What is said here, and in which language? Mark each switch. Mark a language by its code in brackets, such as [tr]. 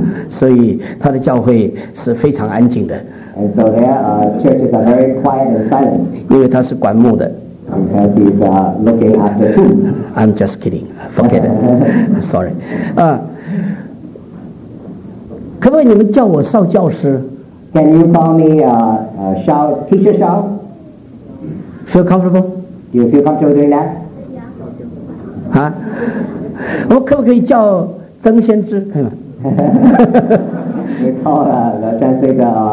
[zh] 所以他的教会是非常安静的。 [en] And so there, churches are very quiet and silent. [zh] 因为他是管墓的。 [en] Because he's looking after tombs. I'm just kidding. Forget it. I'm sorry. [zh] 可不可以你们叫我少教师？ [en] Can you call me Shao, teacher Shao? Feel comfortable? Do you feel comfortable doing that? [zh] Yeah. 啊？我可不可以叫曾先知？可以吗？你call 了，translate 的